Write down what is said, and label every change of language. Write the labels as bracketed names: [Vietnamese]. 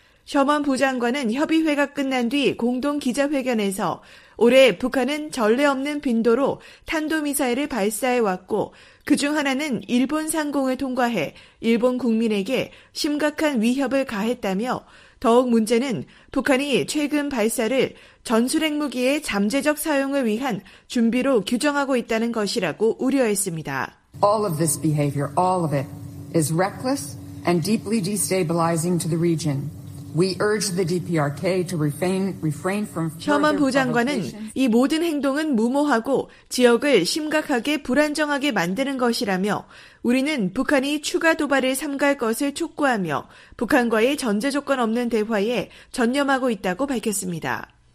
[Korean] 셔먼 부장관은 협의회가 끝난 뒤 공동 기자회견에서 올해 북한은 전례 없는 빈도로 탄도미사일을 발사해왔고 그중 하나는 일본 상공을 통과해 일본 국민에게 심각한 위협을 가했다며 더욱 문제는 북한이 최근 발사를 전술핵 무기의 잠재적 사용을 위한 준비로 규정하고 있다는 것이라고 우려했습니다. [English] All of this behavior, all of it, is reckless and deeply destabilizing to the region. We urge the DPRK to refrain from. [Korean] 셔먼 부장관은 이 모든 행동은 무모하고 지역을 심각하게 불안정하게 만드는 것이라며 우리는 북한이 추가 도발을 삼갈 것을 촉구하며 북한과의 전제 조건 없는 대화에 전념하고 있다고 밝혔습니다.